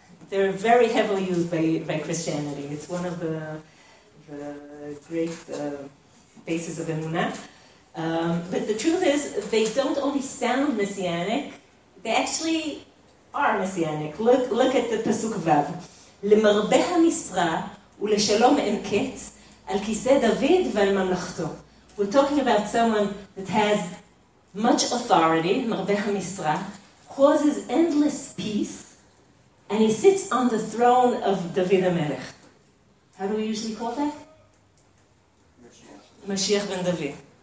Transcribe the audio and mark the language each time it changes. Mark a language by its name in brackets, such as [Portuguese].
[English] They're very heavily used by Christianity. It's one of the great bases of emunah. But the truth is, they don't only sound messianic, they actually are messianic. Look at the pasuk vav. [Hebrew] L'marbe ha'misra, ולשלום אין קץ, על כיסא דוד ועל ממלכתו. [English] We're talking about someone that has much authority, [Hebrew] מרבה המשרה, [English] causes endless peace, and he sits on the throne of דוד המלך. How do we usually call that? [Hebrew] משיח בן דוד.